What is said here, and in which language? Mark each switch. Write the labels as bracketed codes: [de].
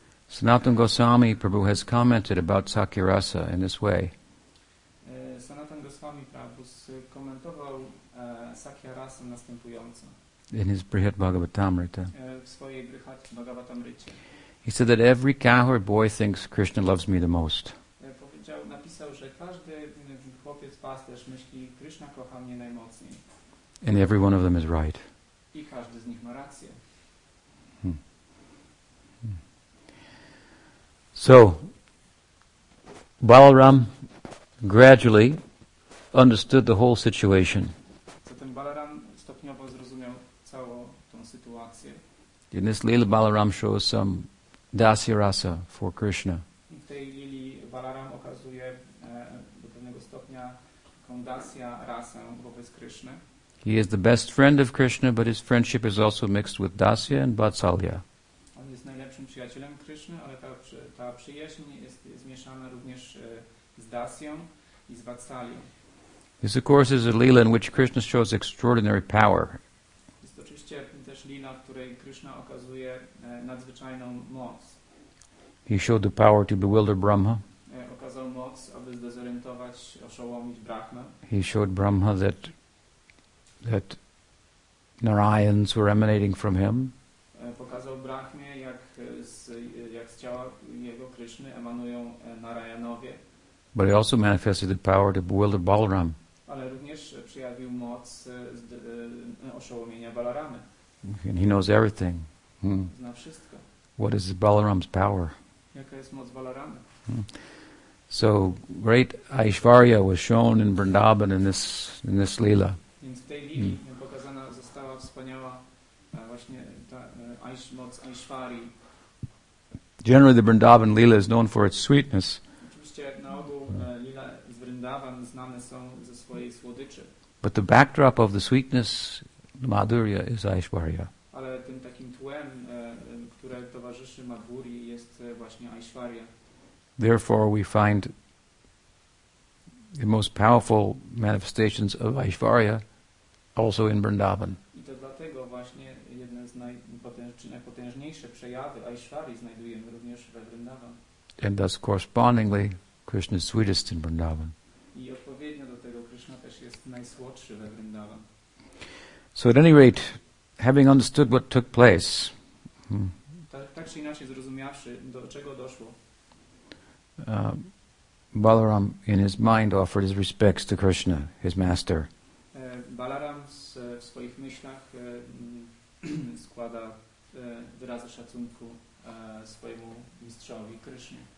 [en] Sanatana Goswami Prabhu has commented about Sakyarasa in this way. [pl] Sanatana Goswami Prabhu komentował Sakyarasa następująco. [en] In his Brihat Bhagavatamrita. [pl] W swojej Brihat Bhagavatamrycie. [en] He said that every cowherd boy thinks Krishna loves me the most. [pl] Napisał, że każdy chłopiec pasterz myśli, Krishna kocha mnie najmocniej. [en] And every one of them is right. [pl] I każdy z nich ma rację. [en] So, Balaram gradually understood the whole situation. [pl] Zatem Balaram stopniowo zrozumiał całą tą sytuację. [en] In this Leela, Balaram shows some dasya rasa for Krishna. [pl] W tej Lili Balaram okazuje do pewnego stopnia kondasya rasę wobec Krishny. [en] He is the best friend of Krishna, but his friendship is also mixed with dasya and vatsalya. [pl] On jest najlepszym przyjacielem Krishny, ale ta przyjaźń jest zmieszana również z dasją I z vatsalią. [en] This of course is a Leela in which Krishna shows extraordinary power. [pl] Jest oczywiście też Leela, w której Krishna okazuje nadzwyczajną moc. [en] He showed the power to bewilder Brahma. [pl] Okazał moc, aby zdezorientować, oszołomić Brahma. [en] He showed Brahma that Narayans were emanating from him. [pl] Pokazał Brahmie, jak z ciała jego Kryszny emanują Narayanowie. [en] But it also manifested the power to bewilder Balaram. [pl] Ale również przejawił moc oszołomienia Balaramy. [en] And he knows everything. [pl] Zna wszystko. [en] What is Balaram's power? [pl] Jaka jest moc Balaramy? [en] So great Aishwarya was shown in Vrindavan in this lila. [pl] Więc w tej lili pokazana została wspaniała właśnie ta moc Aishwari. [en] Generally, the Vrindavan lila is known for its sweetness. [pl] Oczywiście na ogół lila z Vrindavan znane są ze swojej słodyczy. [en] But the backdrop of the sweetness, the Madhurya, is Aishwarya. [pl] Ale tym takim tłem, które towarzyszy Madhurii, jest właśnie Aishwarya. [en] Therefore, we find the most powerful manifestations of Aishwarya also in Vrindavan. [pl] I to dlatego właśnie jedne z najpotężniejsze przejawy Aishwarii znajdujemy również we Vrindavan. [en] And thus, correspondingly, Krishna is sweetest in Vrindavan. [pl] I odpowiednio do tego Krishna też jest najsłodszy we Vrindavan. [en] So at any rate, having understood what took place, [pl] tak czy inaczej zrozumiawszy, do czego doszło, [en] Balaram in his mind offered his respects to Krishna, his master. [pl] Balaram w swoich myślach składa wyrazy szacunku swojemu mistrzowi Krishna.